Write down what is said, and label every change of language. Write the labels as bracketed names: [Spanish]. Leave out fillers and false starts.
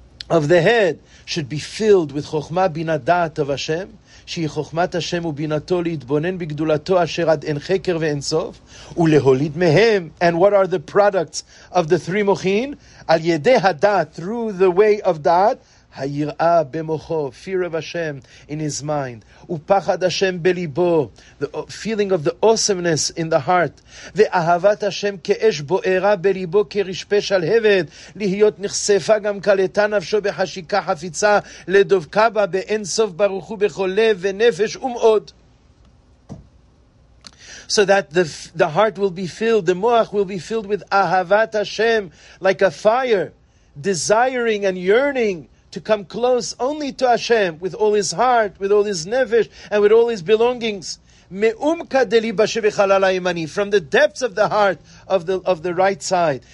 [English] of the head should be filled with chokhmah binadat of Hashem, [Hebrew] שהיא חוכמת השם ובינתו להתבונן בגדולתו אשר עד אין חקר ואין סוף, ולהוליד מהם. [English] And what are the products of the three מוחין? [Hebrew] על ידי הדעת, [English] through the way of [Hebrew] דעת, היראה במוחו, [English] fear of Hashem in his mind, [Hebrew] ופחד השם בליבו, [English] the feeling of the awesomeness in the heart, [Hebrew] ואהבת השם כאש בוערה בליבו כרשפה שלהבת, להיות נחשפה גם קלטה נפשו בחשיקה חפיצה, לדבקה בה באין סוף ברוך הוא בכל לב ונפש ומאוד. [English] So that the heart will be filled, the moach will be filled with אהבת השם, like a fire, desiring and yearning, to come close only to Hashem with all his heart, with all his nefesh, and with all his belongings. [Hebrew] Me'umka deliba shebichalala imani, [English] from the depths of the heart of the right side.